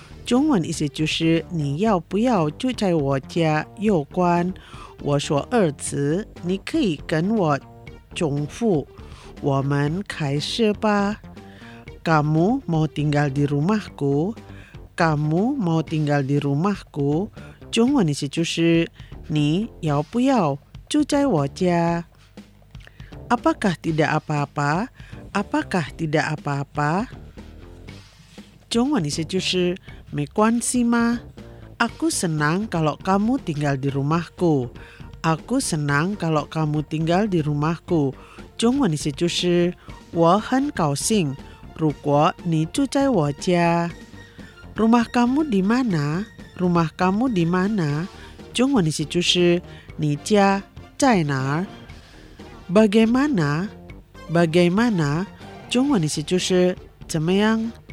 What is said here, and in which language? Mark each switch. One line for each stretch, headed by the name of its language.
Chinese: 中文意思就是你要不要住在我家有关。我说二词，你可以跟我重复。我们开始吧。
Indonesian: Kamu mau tinggal di rumahku? Kamu mau tinggal di rumahku?
Chinese: 中文意思就是你要不要住在我家？
Indonesian: Apakah tidak apa-apa? Apakah tidak apa-apa?
Chinese: 中文意思就是没关系吗？
Indonesian: Aku senang kalau kamu tinggal di rumahku. Aku senang kalau kamu tinggal di rumahku.
Chinese: 中文意思就是我很高兴如果你住在我家。
Indonesian: Rumah kamu di mana? Rumah kamu di mana?
Chinese: 中文意思就是你家在哪儿。
Indonesian: Bagaimana? Bagaimana?
Chinese: 中文意思就是怎么样。